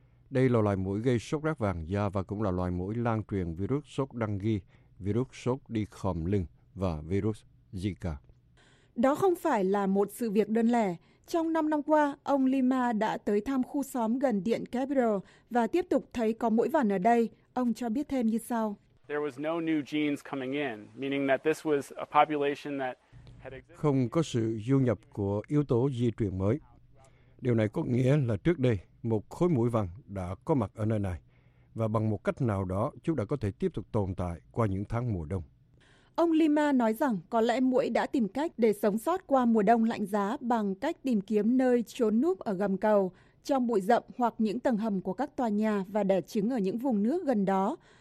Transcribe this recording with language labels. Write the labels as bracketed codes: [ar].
[vi] Đây là loài muỗi gây sốt rát vàng da và cũng là loài muỗi lan truyền virus sốt đăng ghi, virus sốt đi khòm lưng và virus Zika. Đó không phải là một sự việc đơn lẻ. Trong 5 năm qua, ông Lima đã tới thăm khu xóm gần Điện Capitol và tiếp tục thấy có muỗi vằn ở đây. Ông cho biết thêm như sau. [en] There was no new genes coming in, meaning that this was a population that had existed. [vi] Không có sự du nhập của yếu tố di truyền mới. Điều này có nghĩa là trước đây, một khối muỗi vằn đã có mặt ở nơi này, và bằng một cách nào đó, chúng đã có thể tiếp tục tồn tại qua những tháng mùa đông. Ông Lima nói rằng có lẽ muỗi đã tìm cách để sống sót qua mùa đông lạnh giá bằng cách tìm kiếm nơi trốn núp ở gầm cầu, trong bụi rậm hoặc những tầng hầm của các tòa nhà và đẻ trứng ở những vùng nước gần đó.